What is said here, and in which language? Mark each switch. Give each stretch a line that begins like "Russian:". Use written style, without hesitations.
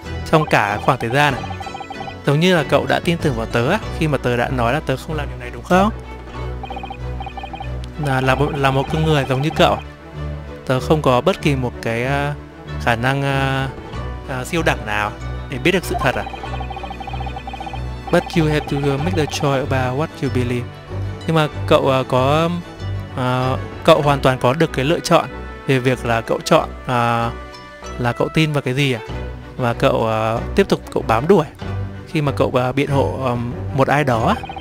Vietnamese: Trong cả khoảng thời gian này. Giống như là cậu đã tin tưởng vào tớ à? Khi mà tớ đã nói là tớ không làm điều này đúng không? Là một con người giống như cậu à? Tớ không có bất kỳ một cái khả năng siêu đẳng nào để biết được sự thật à?
English: But you have to make the choice about what you believe.
Vietnamese: Nhưng mà cậu có cậu hoàn toàn có được cái lựa chọn về việc là cậu chọn là cậu tin vào cái gì à? Và cậu tiếp tục cậu bám đuổi khi mà cậu biện hộ một ai đó.